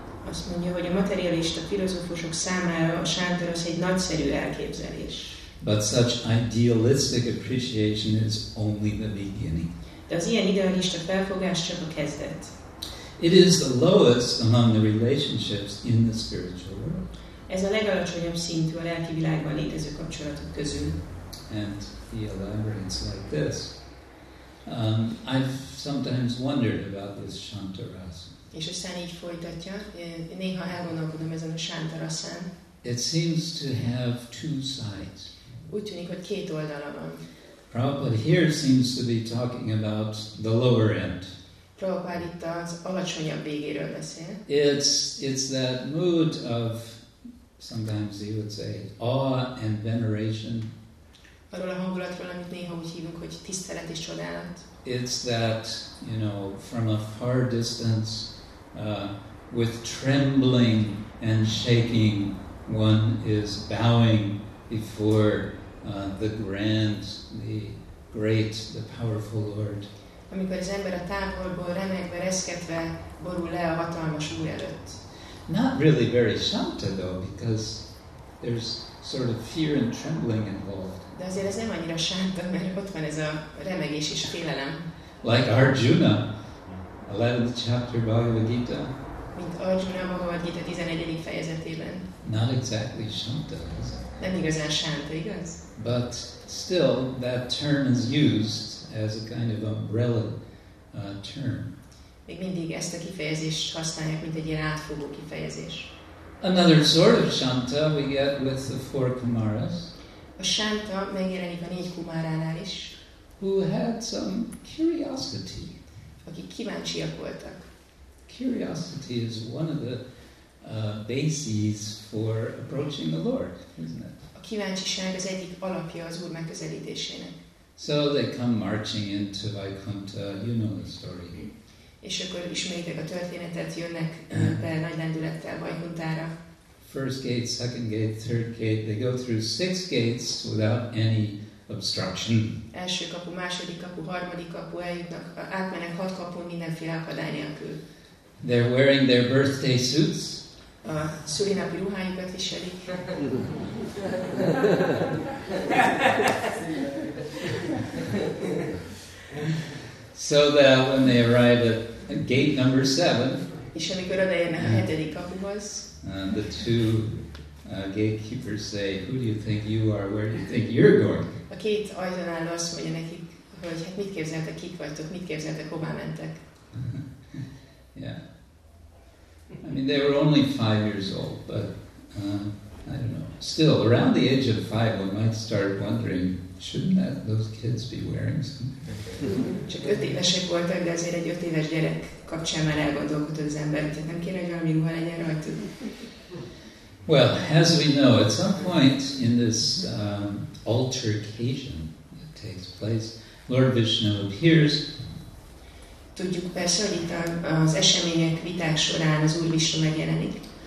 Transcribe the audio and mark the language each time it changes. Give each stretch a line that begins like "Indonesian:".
Hungarian: Azt mondja, hogy a materialista filozófusok számára a sántarasz egy nagyszerű elképzelés.
English: But such idealistic appreciation is only the beginning.
Hungarian: De az ilyen idealista felfogás csak a kezdet.
English: It is the lowest among the relationships in the spiritual world.
Hungarian: Ez a legalacsonyabb szintű a lelki világban létező kapcsolatok közül.
English: And he elaborates like this. I've sometimes wondered about this shantarasz.
Hungarian: És aztán így folytatja, néha elgondolkodom ezen a sántarasszán.
English: It seems to have two sides.
Hungarian: Úgy tűnik, hogy két oldala van.
English: Prabhupada here seems to be talking about the lower end.
Hungarian: Prabhupada itt az alacsonyabb végéről beszél.
English: It's that mood of, sometimes you would say, awe and veneration.
Hungarian: Arról a hangulatról, amit néha úgy hívunk, hogy tisztelet és csodálat.
English: It's that, you know, from a far distance, with trembling and shaking, one is bowing before the grand, the great, the powerful Lord.
Hungarian: Amikor az ember a távolból remegve, reszketve borul le a hatalmas Úr előtt.
English: Not really very shanta though, because there's sort of fear and trembling involved.
Hungarian: De azért ez nem annyira sánta, mert ott van ez a remegés és félelem.
English: Like Arjuna, 11th chapter Bhagavad Gita.
Hungarian: Mint Arjuna Bhagavad Gita 11. fejezetében.
English: Not exactly shanta, is it?
Hungarian: Nem igazán sánta, igaz?
English: But still, that term is used as a kind of umbrella term.
Hungarian: Még mindig ezt a kifejezést használják, mint egy ilyen átfogó kifejezés.
English: Another sort of shanta we get with the four kumaras.
Hungarian: A shanta megjelenik a négy kumáránál is.
English: Who had some curiosity.
Hungarian: Akik kíváncsiak voltak.
English: Curiosity is one of the bases for approaching the Lord, isn't it?
Hungarian: A kíváncsiság az egyik alapja az Úr megközelítésének.
English: So they come marching into Vaikuntha, you know the story.
Hungarian: És akkor ismétek a történetet, jönnek be nagy lendülettel Vaikunthára.
English: First gate, second gate, third gate, they go through six gates without any obstruction.
Hungarian: Első kapu, második kapu, harmadik kapu, eljutnak, átmenek hat kapun mindenféle akadály nélkül.
English: They're wearing their birthday suits.
Hungarian: A szülinapi ruhájukat viselik.
English: So that when they arrive at gate number 7,
Hungarian: és amikor odaérnek a hetedik kapuhoz,
English: the two gatekeepers say, who do you think you are, where do you think you're going?
Hungarian: A két ajtónálló azt mondja nekik, hogy hát mit képzeltek, kik vagytok, mit képzeltek, hová mentek?
English: Yeah. I mean, they were only 5 years old, but I don't know. Still, around the age of 5, one might start wondering, shouldn't that those kids be wearing something?
Hungarian: Csak 5 évesek voltak, de azért egy 5 éves gyerek kapcsán már elgondolkodott az ember, hogy nem kéne, hogy valami ruha legyen rajtuk.
English: Well, as we know, at some point in this altercation that takes place, Lord Vishnu appears.
Hungarian: Tudjuk persze, hogy itt az események viták során az Úr Vishnu megjelenik.